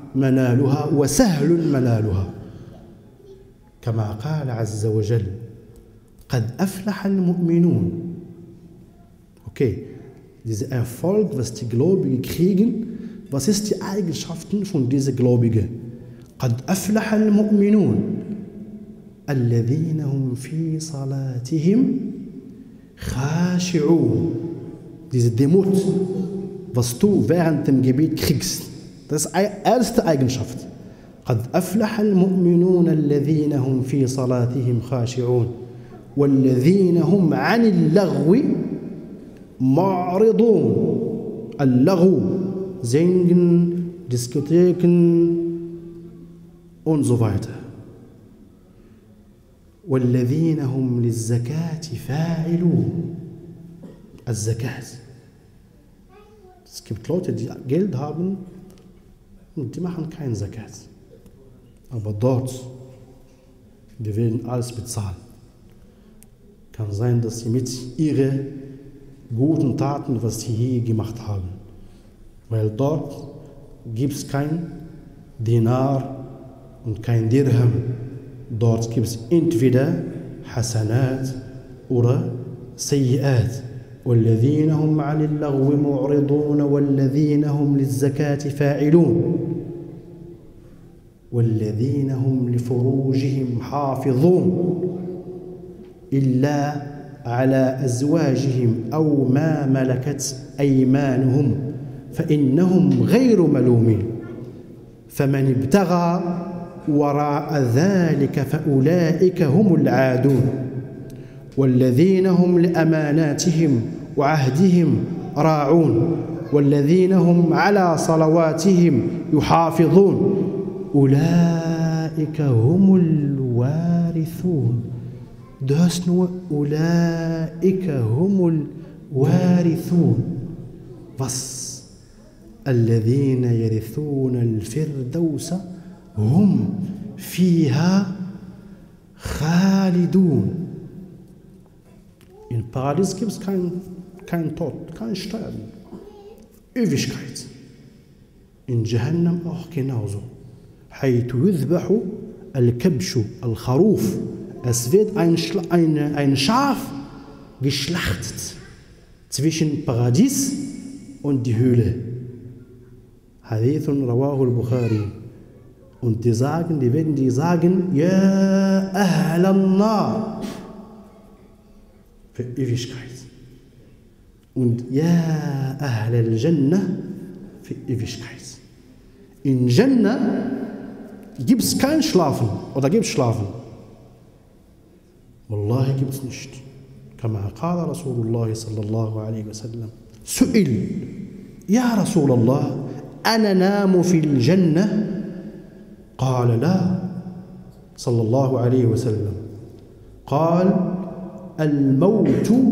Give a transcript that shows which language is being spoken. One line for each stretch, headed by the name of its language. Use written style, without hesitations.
Arabic: منالها وسهل منالها كما قال عز وجل قد أفلح المؤمنون.
German: Okay, dieser Erfolg, was die Gläubigen kriegen, was ist die Eigenschaften von dieser Gläubigen?
Arabic: قد أفلح المؤمنون الذين هم في صلاتهم خاشعون.
German: Diese Demut, was du während dem Gebet kriegst. Das ist die erste Eigenschaft.
Arabic: قَدْ أَفْلَحَ الْمُؤْمِنُونَ الَّذِينَ هُمْ فِي صَلَاتِهِمْ خَاشِعُونَ وَالَّذِينَ هُمْ عَنِ اللَّغْوِ مَعْرِضُونَ.
German: اللغو singen, diskutieren und so weiter.
Arabic: وَالَّذِينَ هُمْ لِلزَّكَاةِ فَاعِلُونَ. الزكاة.
German: Es gibt Leute, die Geld haben, und die machen keinen Zakat. Aber dort, wir werden alles bezahlen. Kann sein, dass sie mit ihren guten Taten, was sie hier gemacht haben. Weil dort gibt es kein Dinar und kein Dirham. Dort gibt es entweder Hasanat oder Sayyiat.
Arabic: والذين هم عن اللغو معرضون والذين هم للزكاة فاعلون والذين هم لفروجهم حافظون إلا على أزواجهم أو ما ملكت أيمانهم فإنهم غير ملومين فمن ابتغى وراء ذلك فأولئك هم العادون والذين هم لأماناتهم وعهدهم راعون والذين هم على صلواتهم يحافظون أولئك هم الوارثون.
German: Du hast nur
Arabic: أولئك هم الوارثون.
German: Was?
Arabic: الذين يرثون الفردوس هم فيها خالدون.
German: In Paradies gibt es kein Tod, kein Sterben. Ewigkeit. In Jahannam auch genauso.
Arabic: حيث يذبح الكبش الخروف.
German: Es wird ein Schaf geschlachtet zwischen Paradies und die Höhle.
Arabic: حديث رواه البخاري.
German: Und die sagen, die werden die sagen,
Arabic: يا أهل النار.
German: Für Ewigkeit.
Arabic: Und يا أهل الجنة.
German: Für Ewigkeit. In Jannah gibt es kein Schlafen. Oder gibt es Schlafen?
Arabic: والله
German: gibt es nicht.
Arabic: كما قال رسول الله صلى الله عليه وسلم سئل يا رسول الله أنا نام في الجنة قال لا صلى الله عليه وسلم قال الموت